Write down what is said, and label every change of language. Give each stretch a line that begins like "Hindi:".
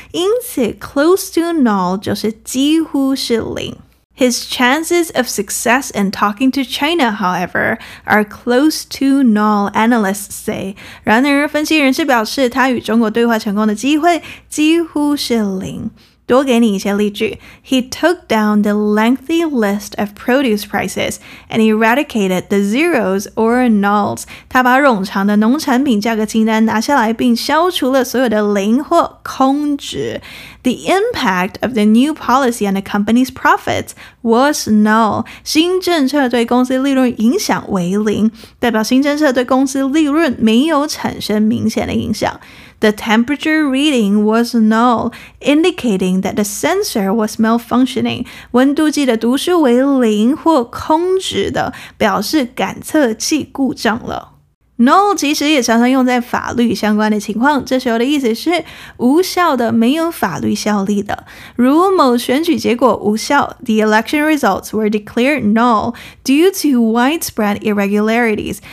Chinese: 因此
English: close to null
Chinese: 就是几乎。
English: His chances of success in talking to China, however, are close to null, analysts say.
Chinese: 然而，分析人士表示，他与中国对话成功的机会几乎是零。多给你一些例句。
English: He took down the lengthy list of produce prices and eradicated the zeros or nulls.
Chinese: 他把冗长的农产品价格清单拿下来并消除了所有的零或空值。
English: The impact of the new policy on the company's profits was null.
Chinese: 新政策对公司利润影响为零，代表新政策对公司利润没有产生明显的影响。
English: The temperature reading was null, indicating that the sensor was malfunctioning.
Chinese: 温度计的读数为零或空值的，表示感测器故障了。 Null 其实也常常用在法律相关的情况，这时候的意思是无效的、没有法律效力的。如某选举结果无效
English: ，The election results were declared null due to widespread irregularities.